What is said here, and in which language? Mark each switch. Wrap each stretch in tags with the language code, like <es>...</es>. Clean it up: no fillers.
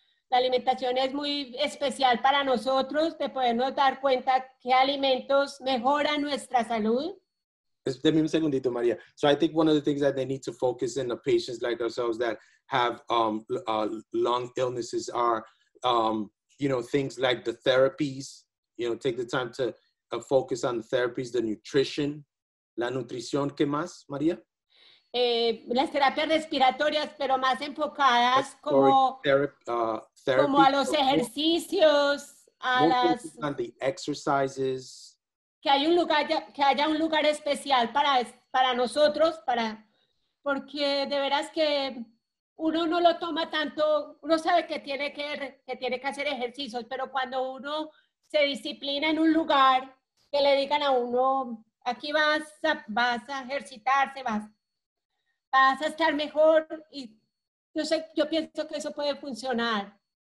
<es>La alimentación es muy especial para nosotros, de podernos dar cuenta qué alimentos mejoran nuestra salud. Deme un segundito, María.</es> <en>So I think one of the things that they need to focus in the patients like ourselves that have lung illnesses are, you know, things like the therapies, you know, take the time to focus on the therapies, the nutrition.</en> <es>La nutrición, ¿qué más, María? Las terapias respiratorias, pero más enfocadas como a los ejercicios,</es> <en>on the exercises.</en> <es>Que haya un lugar especial para nosotros, porque de veras que uno no lo toma tanto, uno sabe que tiene que hacer ejercicios, pero cuando uno se disciplina en un lugar, que le digan a uno, aquí vas a ejercitarse, vas a estar mejor, y yo pienso que eso puede funcionar.</es>